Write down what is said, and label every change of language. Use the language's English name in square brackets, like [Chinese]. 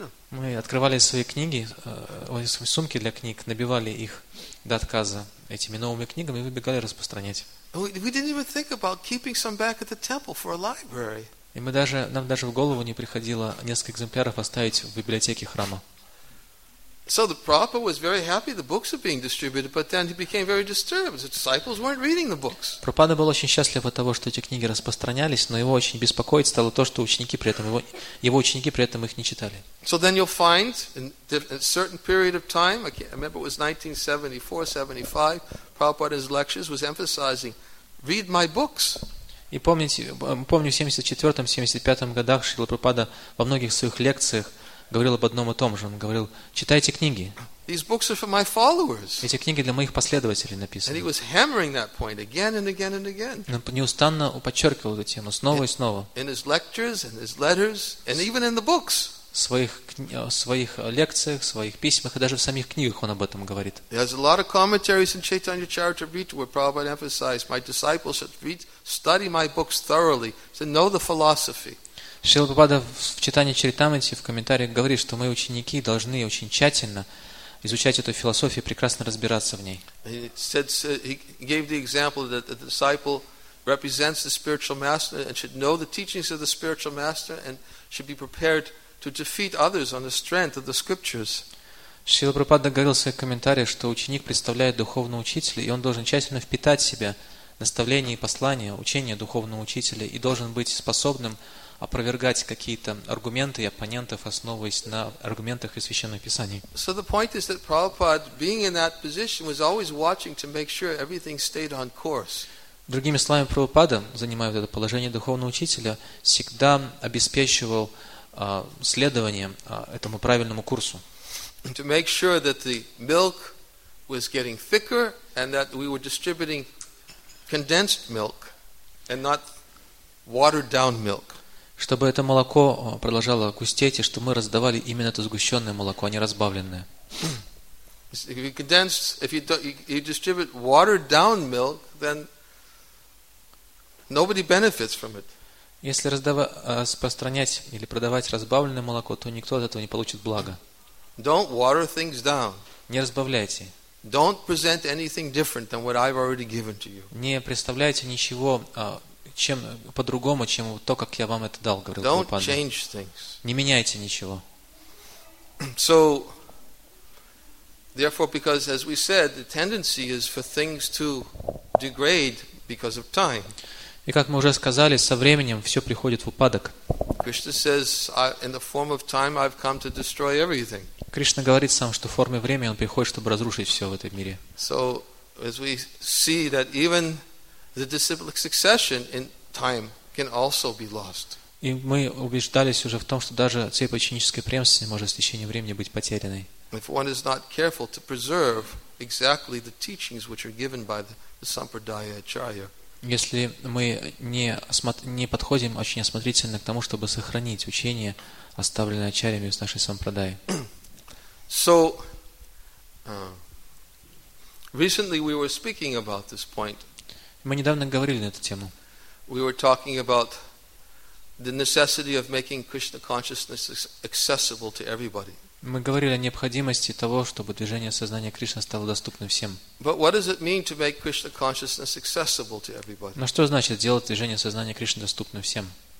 [Russian] Мы открывали свои книги, свои сумки для книг, набивали их до отказа этими новыми книгами и выбегали распространять. [English] We didn't even think about keeping some back at the temple for a library. [Russian] И мы даже нам даже в голову не приходило несколько экземпляров оставить в библиотеке храма. [English] So the Prabhupada was very happy the books were being distributed, but then he became very disturbed. The disciples weren't reading the books. [Russian] Прабхупада был очень счастлив от того, что эти книги распространялись, но его очень беспокоить стало то, что ученики при этом их не читали. [English] So then you'll find in a certain period of time, I remember it was 1974-75. Prabhupada's lectures was emphasizing, read my books. [Russian] И помню, в 74-75 годах Шрила Прабхупада во многих своих лекциях говорил об одном и том же. Он говорил, читайте книги. [English] These books are for my followers. [Russian] Эти книги для моих последователей написаны. [English] And he was hammering that point again and again and again. [Russian] Он неустанно подчеркивал эту тему снова и снова. [English] In his lectures, in his letters, and even in the books. [Russian] В своих лекциях, в своих письмах и даже в самих книгах он об этом говорит. [English] There's a lot of commentaries in Chaitanya Charitamrita where Prabhupada emphasized my disciples should read, study my books thoroughly to know the philosophy. [Russian] Шрила Прабхупада в Чайтанья Чаритамрите в комментариях говорит, что мои ученики должны очень тщательно изучать эту философию и прекрасно разбираться в ней. [English] He gave the example that the disciple represents the spiritual master and should know the teachings of the spiritual master and should be prepared to defeat others on the strength of the scriptures. [Russian] Шрила Прабхупада говорил в своих комментариях, что ученик представляет духовного учителя, и он должен тщательно впитать в себя наставления и послания, учения духовного учителя, и должен быть способным опровергать какие-то аргументы и оппонентов, основываясь на аргументах из священных писаний. [English] So the point is that Prabhupada, being in that position, was always watching to make sure everything stayed on course. [Russian] Другими словами, Прабхупада, занимая вот это положение духовного учителя, всегда обеспечивал следование этому правильному курсу. [English] To make sure that the milk was getting thicker and that we were distributing condensed milk and not watered down milk. [Russian] Чтобы это молоко продолжало густеть, и чтобы мы раздавали именно это сгущенное молоко, а не разбавленное. [English] If you condense, if you, you distribute watered down milk, then nobody benefits from it. [Russian] Если распространять или продавать разбавленное молоко, то никто от этого не получит блага. [English] Don't water things down. [Russian] Не разбавляйте. [English] Don't present anything different than what I've already given to you. [Russian] Не представляйте ничего чем по-другому, чем то, как я вам это дал, говорил [English] Don't Купан. Change things. [Russian] Не меняйте ничего. [English] So, therefore, because as we said, the tendency is for things to degrade because of time. [Russian] И как мы уже сказали, со временем все приходит в упадок. [English] Krishna says, in the form of time, I've come to destroy everything. [Russian] Кришна говорит сам, что в форме времени он приходит, чтобы разрушить все в этом мире. [English] So, as we see that even the disciplic succession in time can also be lost. [Russian] И мы убеждались уже в том, что даже цепь ученической преемственности может с течением времени быть потерянной. [English] If one is not careful to preserve exactly the teachings which are given by the Sampradaya Acharya. [Russian] Если мы не подходим очень осмотрительно к тому, чтобы сохранить учение, оставленное Ачарьями из нашей Сампрадаи. [English] So, recently we were speaking about this point. [Russian] Мы недавно говорили на эту тему. [English] We were talking about the necessity of making Krishna consciousness accessible to everybody. [Russian] Мы говорили о необходимости того, чтобы движение сознания Кришны стало доступным всем. [English] But what does it mean to make Krishna consciousness accessible to everybody? [Russian] Но что значит сделать движение сознания Кришны доступным всем?